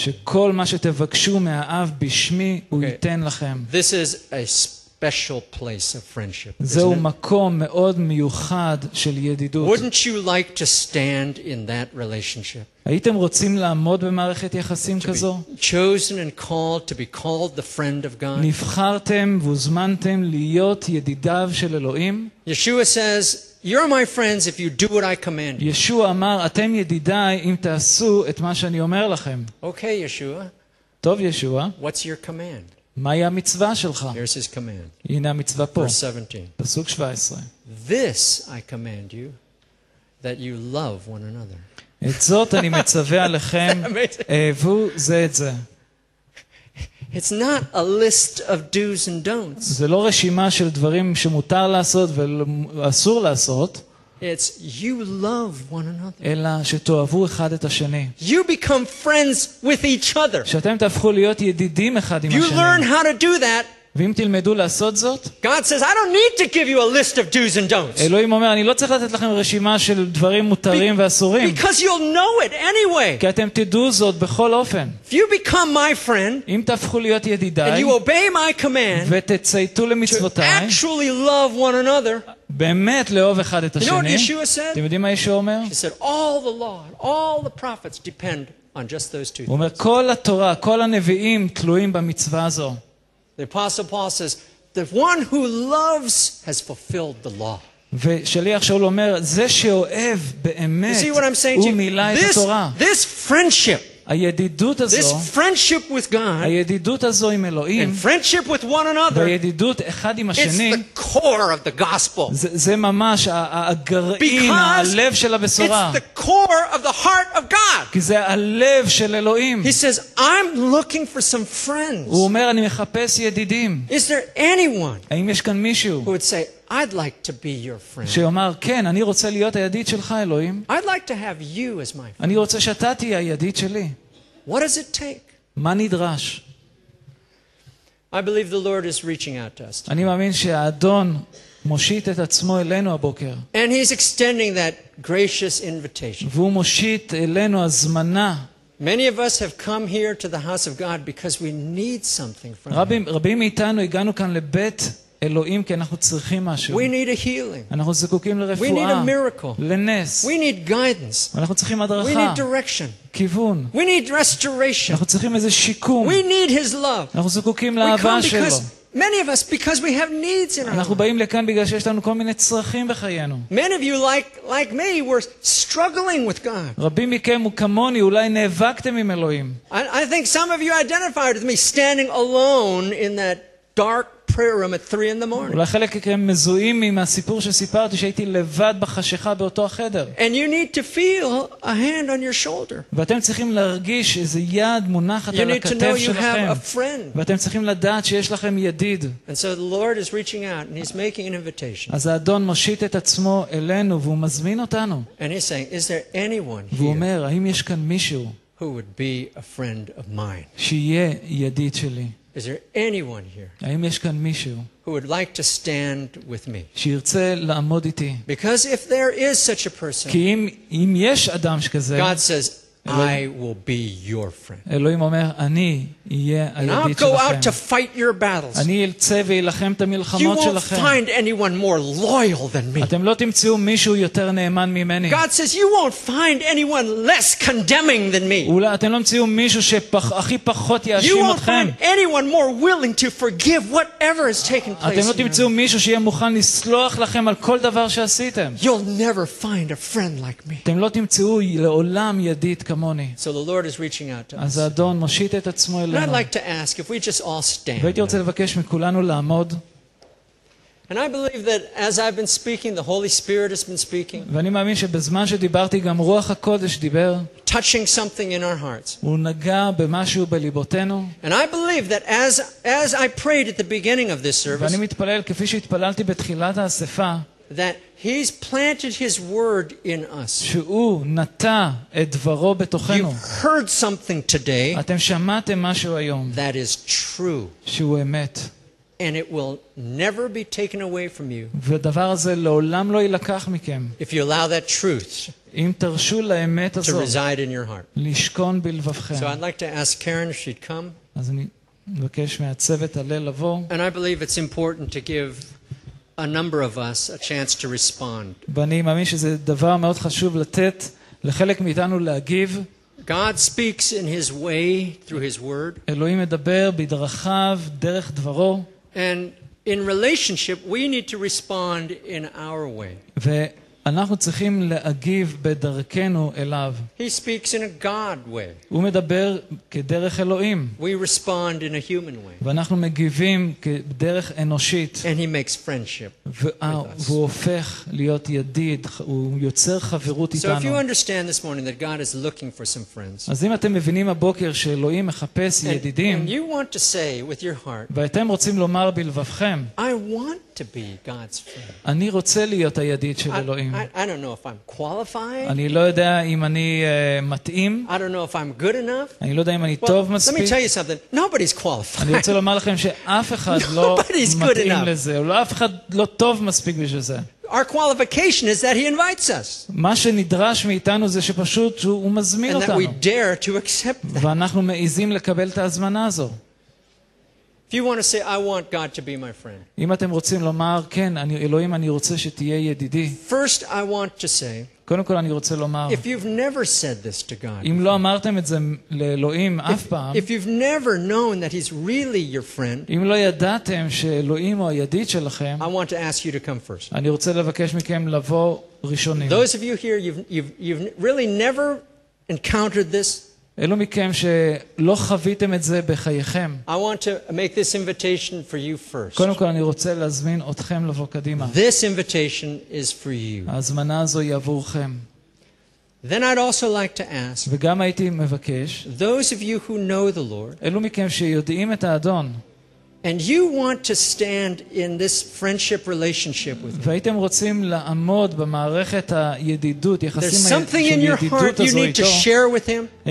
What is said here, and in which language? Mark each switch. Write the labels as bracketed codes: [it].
[he] שכל מה שתבקשו מהאב בשמי, הוא ייתן לכם. [en] This is a special special place of friendship. [he] זהו מקום מאוד מיוחד של ידידות. [en] Wouldn't you like to stand in that relationship? [he] הייתם רוצים לעמוד במערכת יחסים כזו? [en] Chosen and called to be called the friend of God. [he] נבחרתם והוזמנתם להיות ידידיו של אלוהים? [en] Yeshua says, "You're my friends if you do what I command." [he] ישוע אמר, אתם ידידיי אם תעשו את מה שאני אומר לכם. [en] Okay, Yeshua. [he] טוב, ישוע. [en] What's your command? [he] מהי המצווה שלך? [en] Here's his command. [he] הנה המצווה פה. [en] Verse 17. [he] פסוק 17. [en] This I command you, that you love one another. [he] את זאת אני מצווה עליכם, אהבו זה את זה. [en] It's not a list of do's and don'ts. [he] זה לא רשימה של דברים שמותר לעשות ואסור לעשות. [en] It's you love one another. [he] אלא שתאהבו אחד את השני. [en] You become friends with each other. [he] שאתם תהפכו להיות ידידים אחד עם השני. [en] You learn how to do that. [he] ואם תלמדו לעשות זאת, [en] God says, I don't need to give you a list of do's and don'ts. [he] אלוהים אומר, אני לא צריך לתת לכם רשימה של דברים מותרים ואסורים. [en] Because you'll know it anyway. [he] כי אתם תדעו זאת בכל אופן. [en] If you become my friend, [he] אם תהפכו להיות ידידיי, [en] and you obey my command, [he] ותצייתו למצוותיי, [en] to actually love one another, [he] באמת לאהוב אחד את השני. [en] You know what Yeshua said? [he] אתם יודעים מה ישוע אומר? [en] He said, all the law, all the prophets depend on just those two things. [he] הוא אומר, כל התורה, כל הנביאים תלויים במצווה הזו. [en] The apostle Paul says the one who loves has fulfilled the law. [he] ושליח שאול אומר זה שאוהב באמת. [en] See what I'm saying to you? This friendship. [he] הידידות הזו. [en] This friendship with God. [he] הידידות הזו עם אלוהים. [en] And friendship with one another. [he] הידידות אחד עם השני. [en] It's the core of the gospel. [he] זה ממש הגרעין, הלב של הבשורה. [en] It's the core of the heart of God. [he] כי זה הלב של אלוהים. [en] He says, I'm looking for some friends. [he] הוא אומר, אני מחפש ידידים. [en] Is there anyone? [he] האם יש כאן מישהו? [en] Who would say, I'd like to be your friend. [he] שיאמר כן, אני רוצה להיות הידיד שלך אלוהים. [en] I'd like to have you as my friend. [he] אני רוצה שאתה תהיה הידיד שלי. [en] What does it take? [he] מה נדרש? [en] I believe the Lord is reaching out to us. [he] אני מאמין שהאדון מושיט את עצמו אלינו הבוקר. [en] And he's extending that gracious invitation. [he] והוא מושיט אלינו הזמנה. [en] Many of us have come here to the house of God because we need something from him. [he] רבים מאיתנו הגענו כאן לבית אלוהים כי אנחנו צריכים משהו. [en] We need a healing. [he] אנחנו זקוקים לרפואה. [en] We need a miracle. [he] לנס. [en] We need guidance. [he] אנחנו צריכים הדרכה. [en] We need direction. [he] כיוון. [en] We need restoration. [he] אנחנו צריכים איזה שיקום. [en] We need his love. [he] אנחנו זקוקים לאהבה שלו. [en] Many of us because we have needs in our [he] אנחנו באים לכאן בגלל שיש לנו כל מיני צרכים בחיינו. [en] Many of you like me were struggling with God. [he] רבים מכם וכמוני אולי נאבקתם עם אלוהים. [en] I think some of you identified with me standing alone in that dark prayer room at 3 in the morning. [he] ולא חלק כן מזוהים עם הסיפור שסיפרתי שהייתי לבד בחשיכה באותו החדר. [en] And you need to feel a hand on your shoulder. [he] ואתם צריכים להרגיש איזה יד מונחת על הכתף שלכם. [en] You need to know you have a friend. [he] ואתם צריכים לדעת שיש לכם ידיד. [en] And so the Lord is reaching out and he's making an invitation. [he] אז האדון מושיט את עצמו אלינו והוא מזמין אותנו. [en] And he's saying, is there anyone here? [he] והוא אומר, האם יש כאן מישהו? [en] Who would be a friend of mine? [he] שיהיה ידיד שלי. [en] Is there anyone here? [he] האם יש כאן מישהו? [en] Who would like to stand with me? [he] שירצה לעמוד איתי. [en] Because if there is such a person. [he] כי אם יש אדם שכזה. [en] God says, I will be your friend. [he] אלוהים אומר, אני אהיה הידיד שלכם. [en] And I'll go out to fight your battles. [he] אני אלצה ואילחם את המלחמות שלכם. [en] You won't find anyone more loyal than me. [he] אתם לא תמצאו מישהו יותר נאמן ממני. [en] God says, you won't find anyone less condemning than me. [he] אולי אתם לא תמצאו מישהו שהכי פחות יאשים אתכם. [en] You won't find anyone more willing to forgive whatever has taken place. [he] אתם לא תמצאו מישהו שיהיה מוכן לסלוח לכם על כל דבר שעשיתם. [en] You'll never find a friend like me. [he] אתם לא תמצאו לעולם ידיד כמוני. [en] So the Lord is reaching out to us. [he] אז האדון מושיט את עצמו אלינו. [en] I'd like to ask if we just all stand. [he] והייתי רוצה לבקש מכולנו לעמוד. [en] And I believe that as I've been speaking the Holy Spirit has been speaking. [he] ואני מאמין שבזמן שדיברתי גם רוח הקודש דיבר. [en] Touching something in our hearts. [he] הוא נגע במשהו בליבותינו. [en] And I believe that as I prayed at the beginning of this service. [he] ואני מתפלל כפי שהתפללתי בתחילת האספה. [en] That he's planted his word in us. [he] שהוא נטע את דברו בתוכנו. [en] You've heard something today. [he] אתם שמעתם משהו היום. [en] That is true. [he] שהוא אמת. [en] And it will never be taken away from you. [he] והדבר הזה לעולם לא יילקח מכם. [en] If you allow that truth. [he] אם תרשו לאמת הזאת. [en] To reside in your heart. [he] לשכון בלבבכם. [en] So I'd like to ask Karen if she'd come. [he] אז אני מבקש מהצוות הלל לבוא. [en] And I believe it's important to give a number of us a chance to respond. [he] ואני מאמין שזה דבר מאוד חשוב לתת לחלק מאיתנו להגיב. [en] God speaks in his way through his word. [he] אלוהים מדבר בדרכיו דרך דברו. [en] And in relationship we need to respond in our way. [he] ואנחנו צריכים להגיב בדרכנו אליו. [en] He speaks in a God way. [he] הוא מדבר כדרך אלוהים. [en] We respond in a human way. [he] ואנחנו מגיבים כדרך אנושית. [en] And he makes friendship. [he] והוא הופך להיות ידיד, הוא יוצר חברות איתנו. [en] So if you understand this morning that God is looking for some friends. [he] אז אם אתם מבינים הבוקר שאלוהים מחפש ידידים. [en] And you want to say with your heart. [he] ואתם רוצים לומר בלבבכם. [en] I want to be God's friend. [he] אני רוצה להיות הידיד של אלוהים. [en] I don't know if I'm qualified. [he] אני לא יודע אם אני מתאים. [en] I don't know if I'm good enough. [he] אני לא יודע אם אני טוב מספיק. [en] Let me tell you something. Nobody's qualified. [he] אני רוצה לומר לכם שאף אחד לא מתאים לזה. לא אף אחד לא טוב מספיק בשביל זה. [en] Our qualification is that he invites us. [he] מה שנדרש מאיתנו זה שפשוט הוא מזמין אותנו. [en] And that we dare to accept that. [he] ואנחנו מעיזים לקבל את ההזמנה הזו. [en] If you want to say I want God to be my friend. [he] אם אתם רוצים לומר כן אני אלוהים אני רוצה שתהיה ידידי. [en] First I want to say. [he] קודם כל אני רוצה לומר. [en] If you've never said this to God. [he] אם לא אמרתם את זה לאלוהים אף פעם. [en] If you've never known that he's really your friend. [he] אם לא ידעתם שאלוהים הוא הידיד שלכם. [en] I want to ask you to come first. [he] אני רוצה לבקש מכם לבוא ראשונים. [en] Those of you here you've really never encountered this. [he] אלו מכם שלא חוויתם את זה בחייכם. [en] I want to make this invitation for you first. [he] קודם כל אני רוצה להזמין אתכם לבוא קדימה. [en] This invitation is for you. [he] ההזמנה הזו היא עבורכם. [en] Then I'd also like to ask. [he] וגם הייתי מבקש. [en] Those of you who know the Lord. [he] אלו מכם שיודעים את האדון. [en] And you want to stand in this friendship relationship with him. [he] והייתם רוצים לעמוד במערכת הידידות, יחסים הידידות הזו. [en] There's something in your heart you need to share with him.